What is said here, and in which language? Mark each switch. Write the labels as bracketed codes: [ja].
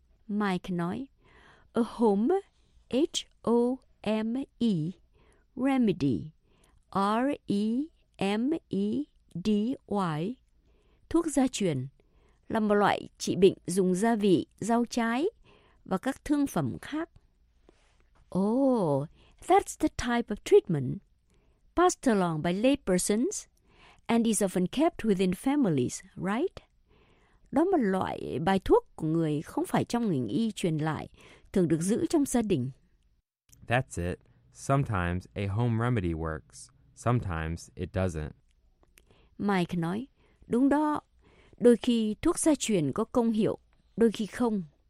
[vi] Mike nói, a home, H-O-M-E, remedy, R-E-M-E-D-Y, thuốc gia truyền, là một loại trị bệnh dùng gia vị, rau trái và các thương phẩm khác. [en] Oh, that's the type of treatment passed along by laypersons and is often kept within families, right? [vi] Đó là một loại bài thuốc của người không phải trong ngành y truyền lại, thường được giữ trong gia đình. [en] That's it. Sometimes a home remedy works. Sometimes it doesn't. [vi] Mike nói, đúng đó. Đôi khi thuốc gia truyền có công hiệu, đôi khi không.